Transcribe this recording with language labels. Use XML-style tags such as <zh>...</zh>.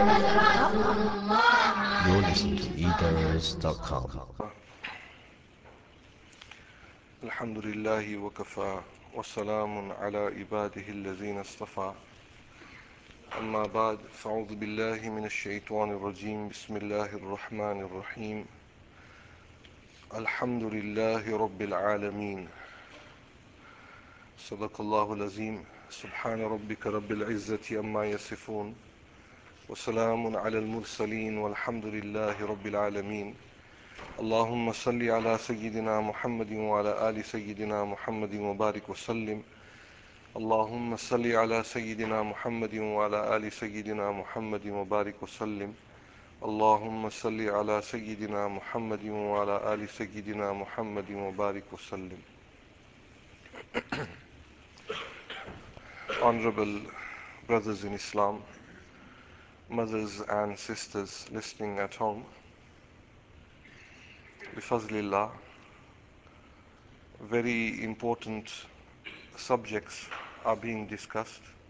<en>You're listening to eDirects.com.</en> <ar>الحمد لله وكفى وسلام على عباده الذين اصطفى. أما بعد، فأعوذ بالله من الشيطان الرجيم. بسم الله الرحمن الرحيم. الحمد لله رب العالمين، صدق الله العظيم. سبحان ربك رب العزة أما يصفون، وسلام على المرسلين، والحمد لله رب العالمين. اللهم صل على سيدنا محمد وعلى آل سيدنا محمد وبارك وسلم. اللهم صل على سيدنا محمد وعلى آل سيدنا محمد وبارك وسلم. اللهم صل على سيدنا محمد وعلى آل سيدنا محمد وبارك وسلم.</ar> <en>Honorable brothers in Islam, mothers and sisters listening at home, bifazlillah, very important subjects are being discussed.</en>